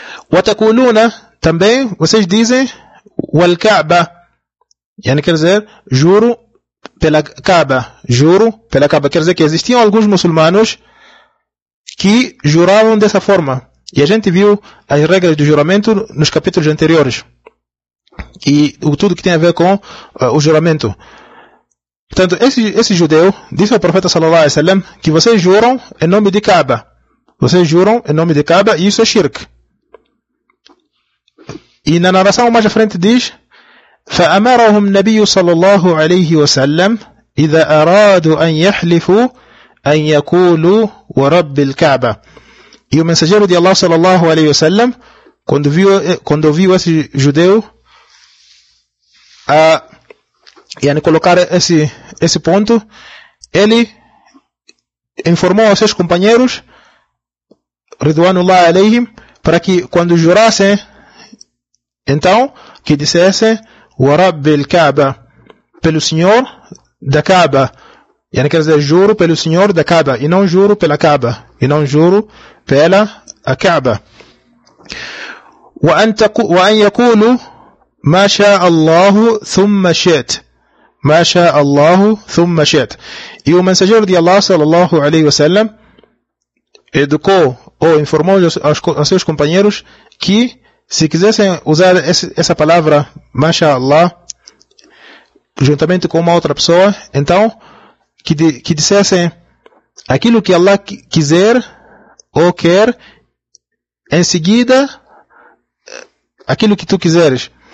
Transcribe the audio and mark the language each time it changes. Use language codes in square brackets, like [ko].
[pt] وَتَكُولُونَ, também vocês dizem وَالْكَعْبَ, yani, quer dizer, juro pela Kaaba, quer dizer que existiam alguns muçulmanos que juravam dessa forma, e a gente viu as regras do juramento nos capítulos anteriores e tudo que tem a ver com o juramento. Portanto, esse judeu disse ao profeta sallallahu alaihi wasallam que vocês juram em nome de Kaaba, e isso é shirk. E na narração mais à frente diz [ar] فأمرهم النبي صلى الله عليه وسلم إذا أرادوا أن يحلفوا أن يقولوا ورب الكعبة. [pt] E o mensageiro de Allah sallallahu alaihi wasallam, quando viu esse judeu colocar esse ponto, ele informou aos seus companheiros ridwanullah alaihim para que quando jurassem, então, que dissessem [ar] wa rabbil kaaba, [pt] pelo Senhor da Kaaba. Quer dizer, juro pelo Senhor da Kaaba, e não juro pela Kaaba, e não juro pela a Kaaba. [ar] وأن يقول ما شاء الله ثم شئت ما شاء الله ثم شئت. [pt] E o mensageiro de Allah sallallahu alaihi wasallam educou ou informou aos seus companheiros que se quisessem usar essa palavra mashallah juntamente com uma outra pessoa, então que dissessem aquilo que Allah quiser ou quer, em seguida aquilo que tu quiseres.